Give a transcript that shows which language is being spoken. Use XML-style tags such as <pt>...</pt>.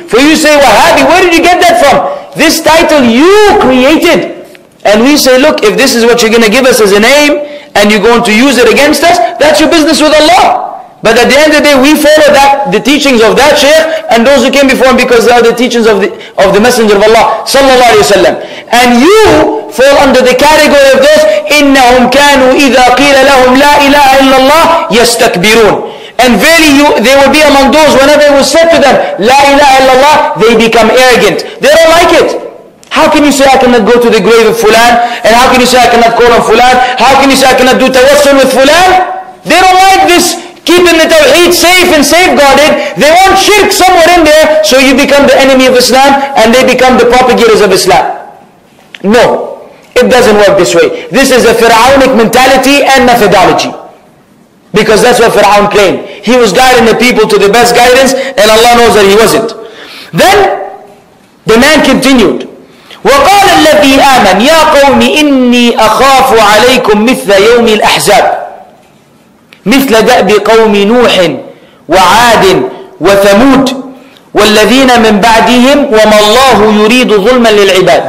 <en>For you say Wahhabi, where did you get that from? This title you created. And we say, look, if this is what you're going to give us as a name, and you're going to use it against us, that's your business with Allah. But at the end of the day, we follow that the teachings of that Shaykh and those who came before him, because they are the teachings of the Messenger of Allah, sallallahu alaihi wasallam. And you fall under the category of those,</en> <ar>إِنَّهُمْ كَانُوا إِذَا قِيلَ لَهُمْ لَا إِلَهَ إِلَّا اللَّهِ يَسْتَكْبِرُونَ.</ar> <en>And verily, they will be among those, whenever it was said to them,</en> <ar>لَا إِلَهَ إِلَّا اللَّهِ,</ar> <en>they become arrogant. They don't like it. How can you say I cannot go to the grave of Fulan? And how can you say I cannot call on Fulan? How can you say I cannot do tawassul with Fulan? They don't like this. Keeping the Tawheed safe and safeguarded, they want shirk somewhere in there, so you become the enemy of Islam and they become the propagators of Islam. No, it doesn't work this way. This is a Firaunic mentality and methodology. Because that's what Firaun claimed. He was guiding the people to the best guidance, and Allah knows that he wasn't. Then the man continued.</en> <ar>وَقَالَ الَّذِي آمَنْ يَا قَوْمِ إِنِّي أَخَافُ عَلَيْكُمْ مِثْلَ يَوْمِ الْأَحْزَابِ مثل دأب قوم نوح وعاد وثمود والذين من بعدهم وما الله يريد ظلما للعباد.</ar>